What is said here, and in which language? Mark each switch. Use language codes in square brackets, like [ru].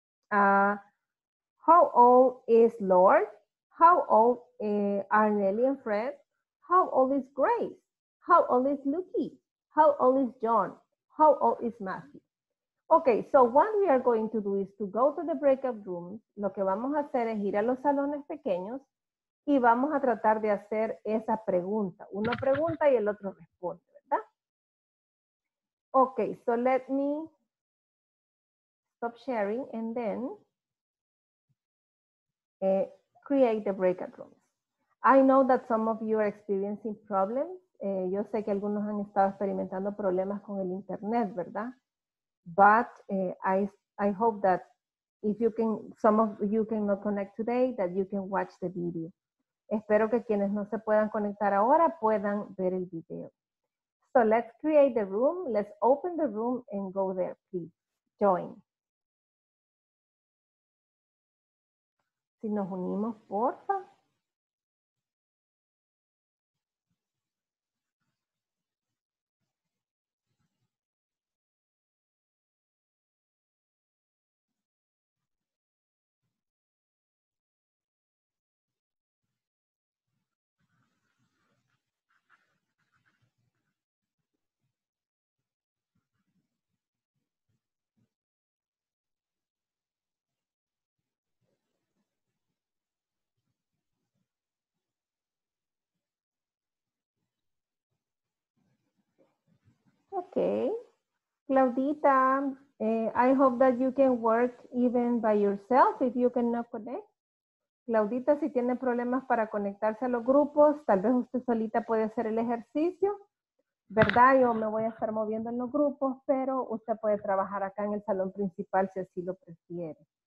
[en] How old is Lord? How old are Nelly and Fred? How old is Grace? How old is Lucky? How old is John? How old is Matthew? Okay, so what we are going to do is to go to the breakout rooms. [es] Lo que vamos a hacer es ir a los salones pequeños y vamos a tratar de hacer esa pregunta. Uno pregunta y el otro responde, ¿verdad? [en] Okay, so let me stop sharing and then create the breakout rooms. I know that some of you are experiencing problems. [es] Yo sé que algunos han estado experimentando problemas con el internet, ¿verdad? [en] But I hope that if you can, some of you cannot connect today, that you can watch the video. [es] Espero que quienes no se puedan conectar ahora puedan ver el video. [en] So let's create the room. Let's open the room and go there, please. Join. [es] Si nos unimos, porfa. [en] Okay, Claudita, I hope that you can work even by yourself if you cannot connect. [es] Claudita, si tiene problemas para conectarse a los grupos, tal vez usted solita puede hacer el ejercicio, ¿verdad? Yo me voy a estar moviendo en los grupos, pero usted puede trabajar acá en el salón principal si así lo prefiere.